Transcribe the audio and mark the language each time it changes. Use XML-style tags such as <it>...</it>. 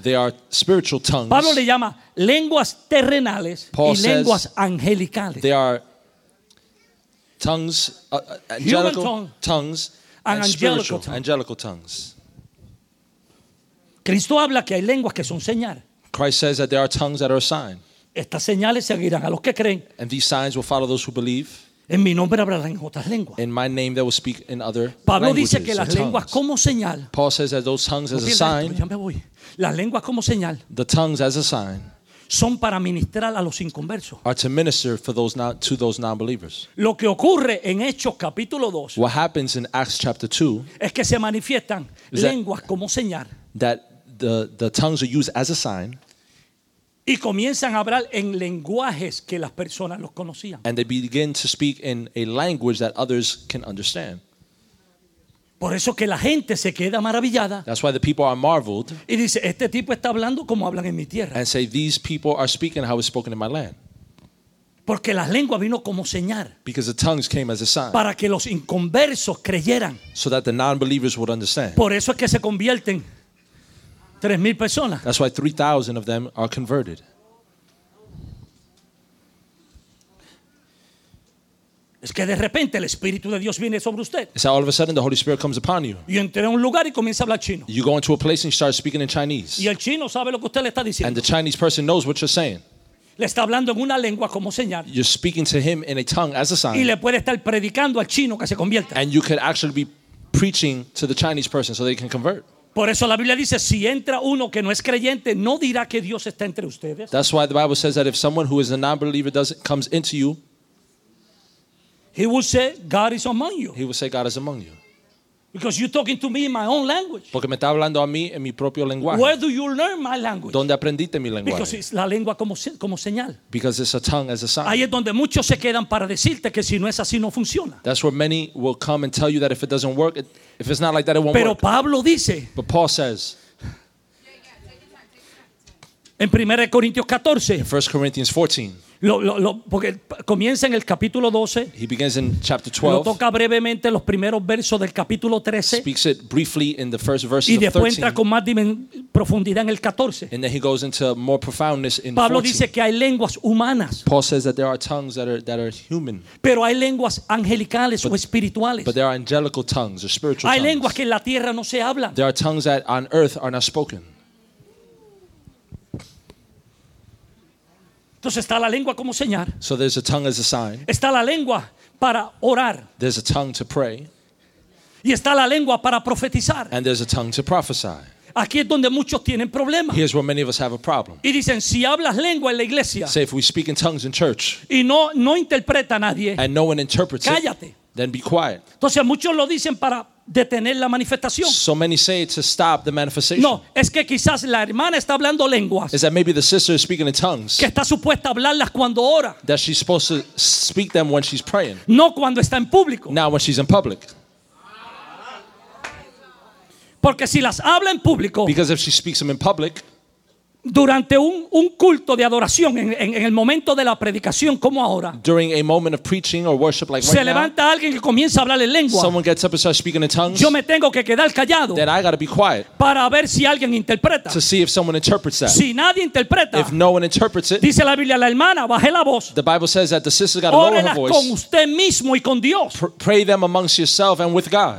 <en>They are spiritual tongues.</en> <es>Pablo le llama lenguas terrenales.</es> <en>Paul</en> <es>y lenguas angelicales.</es> <en>They are tongues, angelical tongues. Angelical tongues.</en> <es>Cristo habla que hay lenguas que son señal.</es> <en>Christ says that there are tongues that are a sign.</en> <es>Estas señales seguirán a los que creen.</es> <en>And these signs will follow those who believe.</en> <es>En mi nombre hablarán otras lenguas.</es> <en>In my name they will speak in other languages.</en> <es>Pablo dice que las lenguas como señal.</es> <en>Paul says that those tongues as a sign.</en> <es>Ya me voy. Las lenguas como señal.</es> <en>The tongues as a sign.</en> <es>Son para ministrar a los inconversos.</es> <en>Are to minister for those not, to those non-believers.</en> <es>Lo que ocurre en Hechos capítulo 2.</es> <en>What happens in Acts chapter 2.</en> <es>Es que se manifiestan lenguas</es> <en>that,</en> <es>como señal.</es> <en>That the tongues are used as a sign.</en> <es>Y comienzan a hablar en lenguajes que las personas los conocían.</es> <en>And they begin to speak in a language that others can understand.</en> <es>Por eso que la gente se queda maravillada.</es> <en>That's why the people are marveled.</en> <es>Y dice, este tipo está hablando como hablan en mi tierra.</es> <en>And say, these people are speaking how it's spoken in my land.</en> <es>Porque la lengua vino como señal.</es> <en>Because the tongues came as a sign.</en> <es>Para que los inconversos creyeran.</es> <en>So that the non-believers would understand.</en> <es>Por eso es que se convierten 3,000 personas.</es> <en>That's why 3,000 of them are converted.</en> <es>Es que de repente el Espíritu de Dios viene sobre usted.</es> <en>It's how all of a sudden the Holy Spirit comes upon you.</en> <es>Y entra en un lugar y comienza a hablar chino.</es> <en>You go into a place and you start speaking in Chinese.</en> <es>Y el chino sabe lo que usted le está diciendo.</es> <en>And the Chinese person knows what you're saying.</en> <es>Le está hablando en una lengua como señal.</es> <en>You're speaking to him in a tongue as a sign.</en> <es>Y le puede estar predicando al chino que se convierta.</es> <en>And you could actually be preaching to the Chinese person so they can convert.</en> <es>Por eso la Biblia dice, si entra uno que no es creyente, no dirá que Dios está entre ustedes.</es> <en>That's why the Bible says that if someone who is a non-believer comes into you, he will say God is among you. He will say God is among you. Because you're talking to me in my own language.</en> <es>Porque me está hablando a mí en mi propio lenguaje.</es> <en>Where do you learn my language?</en> <es>¿Dónde aprendiste mi lenguaje?</es> <en>Because it's</en> <es>la lengua como señal.</es> <en>Because it's a tongue as a sign.</en> <es>Ahí es donde muchos se quedan para decirte que si no es así no funciona.</es> <en>That's where many will come and tell you that if it doesn't work, if it's not like that it won't</en> <es>Pero</es> <en>work.</en> <es>Pero Pablo dice.</es> <en>But Paul says.</en> <es>En 1 Corintios 14.</es> <en>In 1 Corinthians 14.</en> <es>lo porque comienza en el capítulo 12.</es> <en>He begins in chapter 12.</en> <es>Lo toca brevemente los primeros versos del capítulo 13.</es> <en>Speaks it briefly in the first verses of 13.</en> <es>Y después entra con más profundidad en el 14.</es> <en>And then he goes into more profoundness in 14.</en> <es>Pablo dice que hay lenguas humanas.</es> <en>Paul says that there are tongues that are human.</en> <es>Pero hay lenguas angelicales o espirituales.</es> <en>But there are angelical tongues or spiritual tongues.</en> <es>Hay lenguas que en la tierra no se hablan.</es> <en>There are tongues that on earth are not spoken.</en> <es>Entonces está la lengua como señal.</es> <en>So there's a tongue as a sign.</en> <es>Está la lengua para orar.</es> <en>There's a tongue to pray.</en> <es>Y está la lengua para profetizar.</es> <en>And there's a tongue to prophesy.</en> <es>Aquí es donde muchos tienen problemas.</es> <en>Here's where many of us have a problem.</en> <es>Y dicen, si hablas lengua en la iglesia,</es> <en>say if we speak in tongues in church,</en> <es>y no interpreta a nadie,</es> <en>and no one interprets,</en> <es>cállate.</es> <en>It, then be quiet.</en> <es>Entonces muchos lo dicen para detener la manifestación.</es> <en>So many say to stop the manifestation.</en> <es>No, es que quizás la hermana está hablando lenguas.</es> <en>Is that maybe the sister is speaking in tongues?</en> <es>Que está supuesta hablarlas cuando ora.</es> <en>That she's supposed to speak them when she's praying.</en> <es>No cuando está en público.</es> <en>Not when she's in public.</en> <es>Porque si las habla en público.</es> <en>Because if she speaks them in public.</en> <es>Durante un culto de adoración en el momento de la predicación como ahora.</es> <en>During a moment of preaching or worship like</en> <es>right now. Se levanta alguien que comienza a hablar en lengua.</es> <en>Someone gets up and starts speaking in tongues.</en> <es>Yo me tengo que quedar callado.</es> <en>Then I gotta be quiet.</en> <es>Para ver si alguien interpreta.</es> <en>To see if someone interprets that.</en> <es>Si nadie interpreta.</es> <en>If no one interprets it.</en> <es>Dice la Biblia, la hermana baje la voz.</es> <en>The Bible says that the sister got to lower her voice.</en> <es>Órela con usted mismo y con Dios.</es> <en>Pray them amongst yourself and with God.</en>